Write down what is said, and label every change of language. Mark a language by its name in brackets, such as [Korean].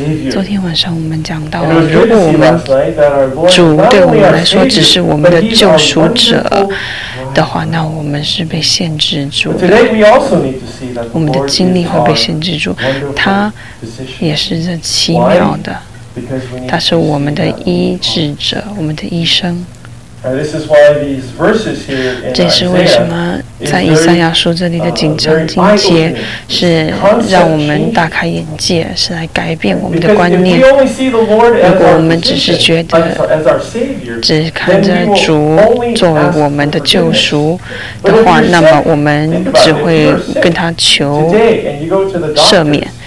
[Chinese] 昨天晚上我们讲到，如果我们主对我们来说只是我们的救赎者的话，那我们是被限制住的。我们的精力会被限制住，他也是这奇妙的，他是我们的医治者，我们的医生。 [English] This is why these verses here in Isaiah. [Chinese] 这是为什么在以赛亚书这里的紧张经节是让我们大开眼界，是来改变我们的观念。如果我们只是觉得只看着主作为我们的救赎的话，那么我们只会跟他求赦免。